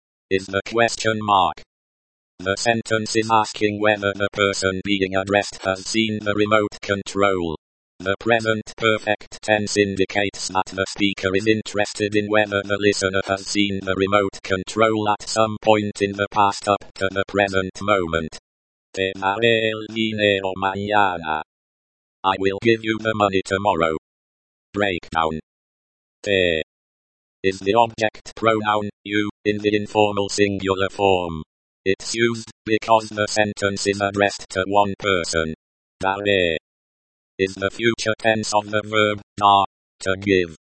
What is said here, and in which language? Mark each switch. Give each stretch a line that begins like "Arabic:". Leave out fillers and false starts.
English: Is the question mark. The sentence is asking whether the person being addressed has seen the remote control. The present perfect tense indicates that the speaker is interested in whether the listener has seen the remote control at some point in the past up to the present moment.
Spanish: Te daré el dinero mañana.
English: I will give you the money tomorrow. Breakdown. Te is the object pronoun, you, in the informal singular form. It's used because the sentence is addressed to one person. Daré is the future tense of the verb dar, to give.